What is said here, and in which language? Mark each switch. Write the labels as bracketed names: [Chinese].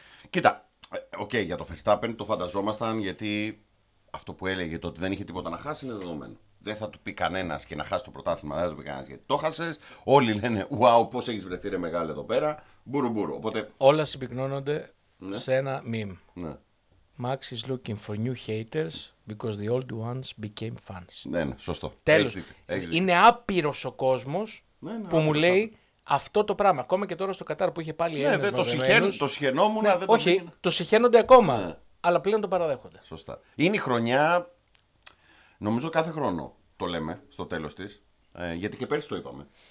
[Greek] Κοίτα, okay, για το Verstappen το φανταζόμασταν, γιατί αυτό που έλεγε, το ότι δεν είχε τίποτα να χάσει, είναι δεδομένο. Δεν θα του πει κανένας και να χάσει το πρωτάθλημα, δεν θα του πει κανένας γιατί το χάσες. Όλοι λένε, wow, πώς έχεις βρεθεί ρε μεγάλη εδώ πέρα. Μπούρου μπούρου. Οπότε. Όλα συμπυκνώνονται σε ένα meme. Ναι. [English] Max is looking for new haters because the old ones became fans. [Greek] Ναι, ναι, σωστό. Τέλος. Είναι άπειρος ο κόσμος που μου λέει αυτό το πράγμα. Ακόμα και τώρα στο Κατάρ που είχε πάλι ένα. Ναι, δεν το συχαίνουν. Το συχαινόμουν. Ναι, όχι, το συχαίνονται ακόμα. Ναι. Αλλά πλέον το παραδέχονται. Σωστά. Είναι η χρονιά. Νομίζω κάθε χρόνο το λέμε στο τέλος της. Γιατί και πέρσι το είπαμε.